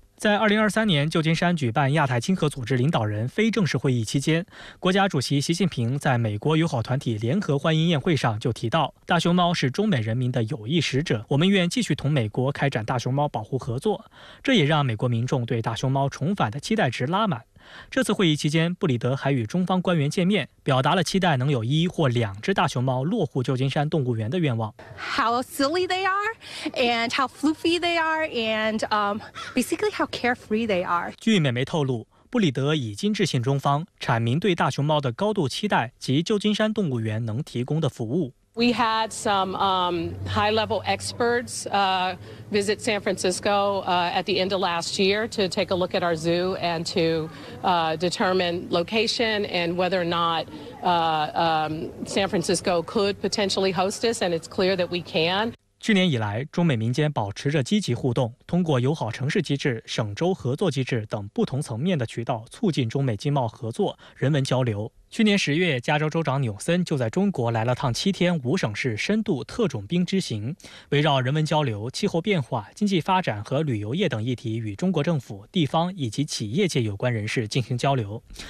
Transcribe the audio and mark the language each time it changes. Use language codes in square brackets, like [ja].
[zh] 在2023年旧金山举办亚太经合组织领导人非正式会议期间，国家主席习近平在美国友好团体联合欢迎宴会上就提到，大熊猫是中美人民的友谊使者，我们愿继续同美国开展大熊猫保护合作，这也让美国民众对大熊猫重返的期待值拉满。这次会议期间，布里德还与中方官员见面，表达了期待能有一或两只大熊猫落户旧金山动物园的愿望。 [en] How silly they are, and how fluffy they are, and basically how carefree they are. [zh] 据美媒透露，布里德已经致信中方，阐明对大熊猫的高度期待及旧金山动物园能提供的服务。 [en] We had some high-level experts visit San Francisco at the end of last year to take a look at our zoo and to determine location and whether or not San Francisco could potentially host us, and it's clear that we can. [zh] 去年以来，中美民间保持着积极互动，通过友好城市机制、省州合作机制等不同层面的渠道促进中美经贸合作、人文交流。去年10月，加州州长纽森就在中国来了趟7天五省市深度特种兵之行，围绕人文交流、气候变化、经济发展和旅游业等议题，与中国政府、地方以及企业界有关人士进行交流。